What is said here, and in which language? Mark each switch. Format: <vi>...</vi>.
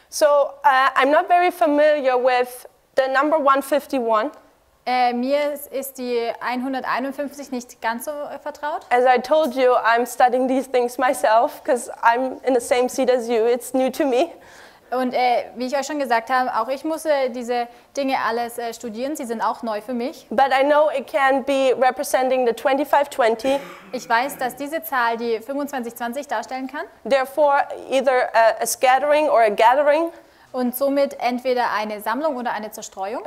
<en>So I'm not very familiar with the number 151.</en> <de>Mir ist die 151 nicht ganz so vertraut.</de> <en>As I told you, I'm studying these things myself because I'm in the same seat as you. It's new to me.</en> <de>Und wie ich euch schon gesagt habe, auch ich muss diese Dinge alles studieren. Sie sind auch neu für mich.</de> <en>But I know it can be representing the 2520.</en> <de>Ich weiß, dass diese Zahl die 2520 darstellen kann.</de> <en>Therefore, either a scattering or a gathering.</en> <de>Und somit entweder eine Sammlung oder eine Zerstreuung.</de>